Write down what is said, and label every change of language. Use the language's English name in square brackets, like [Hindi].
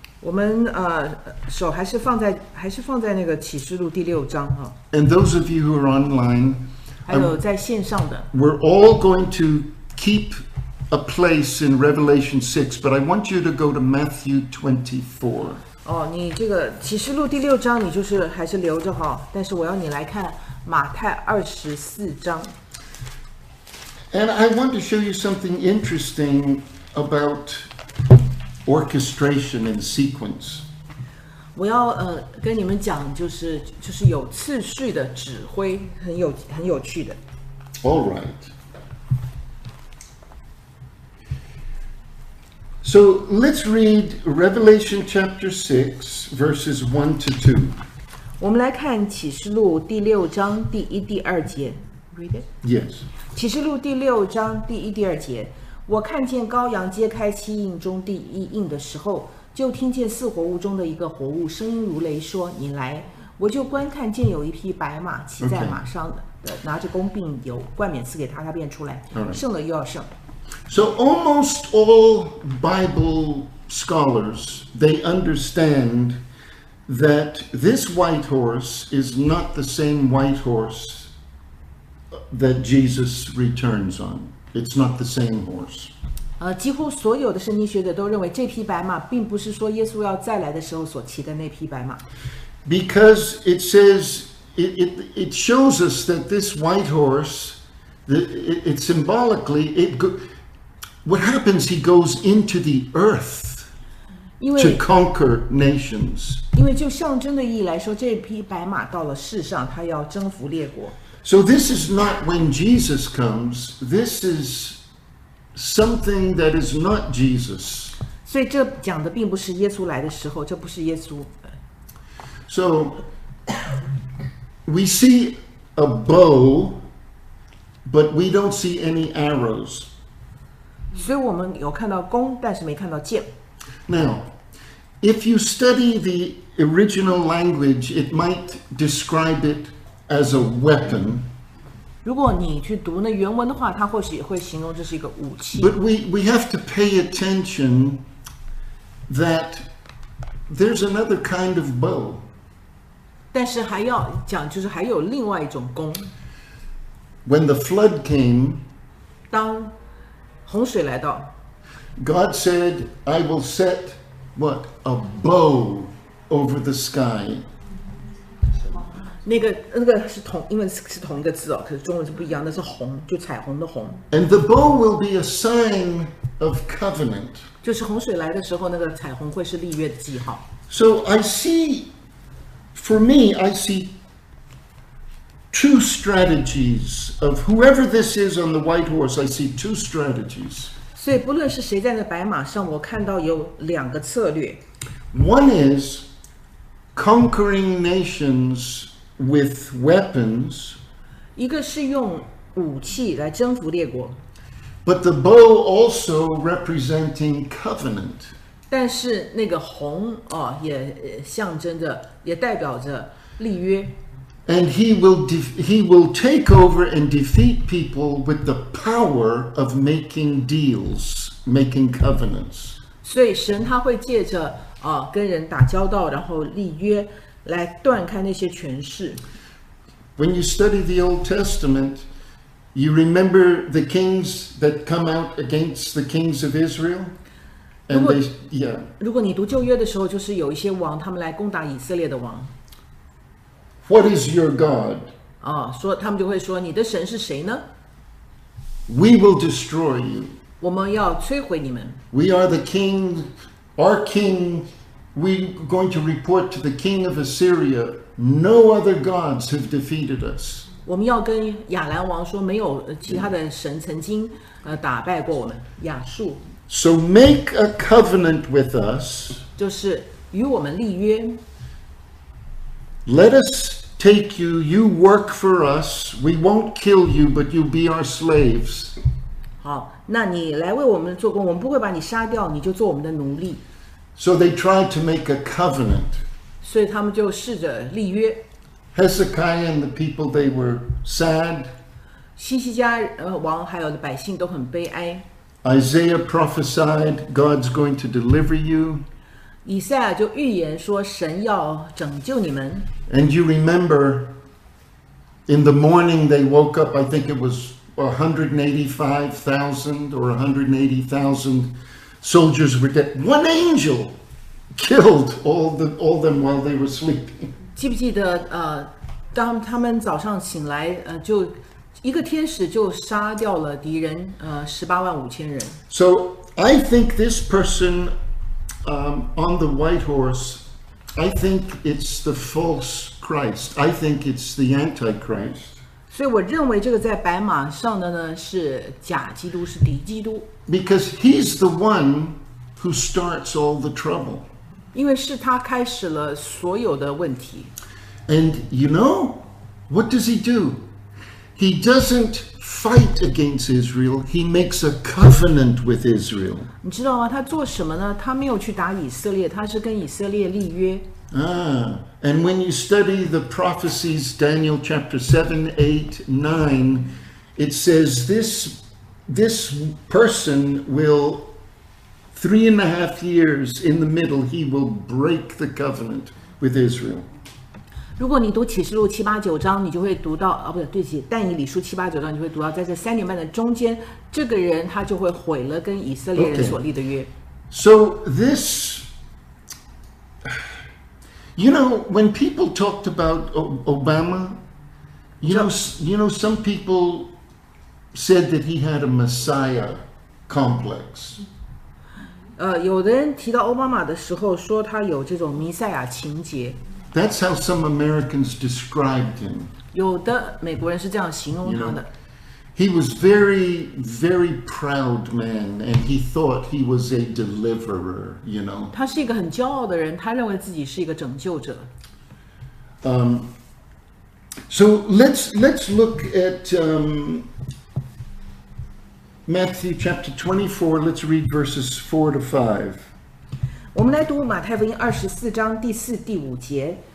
[Chinese] 我们手还是放在那个启示录第六章哈。 [English] And those of you who are online, [Chinese] 还有在线上的 [English] ，we're all going to keep a place in Revelation 6, but I want you to go to Matthew 24. [Chinese] 哦，你这个启示录第六章，你就是还是留着哈，但是我要你来看马太二十四章。 [English] And I want to show you something interesting about. Orchestration and sequence. [Chinese] 我要跟你们讲，就是有次序的指挥，很有趣的。 [English] All right. So let's read Revelation chapter 6, verses 1-2. [Chinese] 我们来看启示录第六章第一、第二节。 [English] Read it. Yes. [Chinese] 启示录第六章第一、第二节。我看见羔羊揭开七印中第一印的时候，就听见四活物中的一个活物声音如雷说：“你来！” 我就观看见有一匹白马骑在马上的、 [English] okay. [Chinese] 拿着弓，并有冠冕赐给他，他便出来，胜了又要胜。 [English] So almost all Bible scholars they understand that this white horse is not the same white horse that Jesus returns on. It's not the same horse. [Chinese] 几乎所有的圣经学者都认为这匹白马并不是说耶稣要再来的时候所骑的那匹白马。 [English] Because it says, it shows us that this white horse, it symbolically, what happens, he goes into the earth to conquer nations. [Chinese] 因为就象征的意义来说，这匹白马到了世上，他要征服列国。 [English] So this is not when Jesus comes. This is something that is not Jesus. [Chinese] 所以这讲的并不是耶稣来的时候，这不是耶稣。 [English] So we see a bow, but we don't see any arrows. [Chinese] 所以我们有看到弓，但是没看到箭。 [English] Now, if you study the original language, it might describe it. As a weapon. [Chinese] 如果你去读那原文的话，它或许会形容这是一个武器。 [English] But we have to pay attention that there's another kind of bow. [Chinese] 但是还要讲，就是还有另外一种弓。 [English] When the flood came, [Chinese] 当洪水来到 [English] ，God said, "I will set what a bow over the sky." [Chinese] 那个是同英文是同一个字哦，可是中文是不一样，那是红，就彩虹的红。 [English] And the bow will be a sign of covenant. [Chinese] 就是洪水来的时候，那个彩虹会是立约的记号。 [English] So I see, for me, I see two strategies of whoever this is on the white horse. I see two strategies. [Chinese] 所以不论是谁在那白马上，我看到有两个策略。 [English] One is conquering nations with weapons. [Chinese] 一个是用武器来征服列国。 [English] But the bow also representing covenant. [Chinese] 但是那个红哦，也象征着，也代表着立约。 [English] And he will take over and defeat people with the power of making deals, making covenants. [Chinese] 所以神他会借着跟人打交道，然后立约，来断开那些权势。 [English] When you study the Old Testament, you remember the kings that come out against the kings of Israel? And yeah. [Chinese] 如果你读旧约的时候，就是有一些王，他们来攻打以色列的王。 [English] What is your God? [Chinese] 哦，说他们就会说，你的神是谁呢？ [English] We will destroy you. [Chinese] 我们要摧毁你们。 [English] We are the king, our king. We're going to report to the king of Assyria. No other gods have defeated us. [Chinese] 我们要跟亚兰王说，没有其他的神曾经打败过我们亚述。 [English] So make a covenant with us. [Chinese] 就是与我们立约。 [English] Let us take you, you work for us, we won't kill you, but you'll be our slaves. [Chinese] 好，那你来为我们做工，我们不会把你杀掉，你就做我们的奴隶。 [English] So they tried to make a covenant. [Chinese] 所以他们就试着立约。 [English] Hezekiah and the people, they were sad. [Chinese] 西西家王还有百姓都很悲哀。 [English] Isaiah prophesied, God's going to deliver you. [Chinese] 以赛亚就预言说神要拯救你们。 [English] And you remember in the morning they woke up, I think it was 185,000 or 180,000 soldiers were dead. One angel killed all them while they were sleeping. [Chinese] 记不记得当他们早上醒来就一个天使就杀掉了敌人185,000人。 [English] So I think this personon the white horse, I think it's the false Christ. I think it's the Antichrist. [Chinese] 所以我认为这个在白马上的呢是假基督，是敌基督。 [English] Because he's the one who starts all the trouble. [Chinese] 因为是他开始了所有的问题。 [English] And you know, what does he do? He doesn't fight against Israel, he makes a covenant with Israel. [Chinese] 你知道吗？他做什么呢？他没有去打以色列，他是跟以色列立约。 [English] And when you study the prophecies, Daniel chapter 7, 8, 9, it says this person will, 3.5 years in the middle, he will break the covenant with Israel. [Chinese] 如果你读启示录七八九章，你就会读到啊，不对，对不起，但以理书七八九章，你就会读到，在这三年半的中间，这个人他就会毁了跟以色列人所立的约。 [English] Okay. So this, you know, when people talked about Obama, you know, some people said that he had a Messiah complex. [Chinese] 有的人提到奥巴马的时候，说他有这种弥赛亚情节。 [English] That's how some Americans described him. [Chinese] 有的美国人是这样形容他的。 [English] He was very, very proud man, and he thought he was a deliverer, you know. [Chinese] 他是一个很骄傲的人，他认为自己是一个拯救者。 [English] So let's look at Matthew chapter 24. Let's read verses 4-5. [Chinese] 我们来读马太福音24:4-5。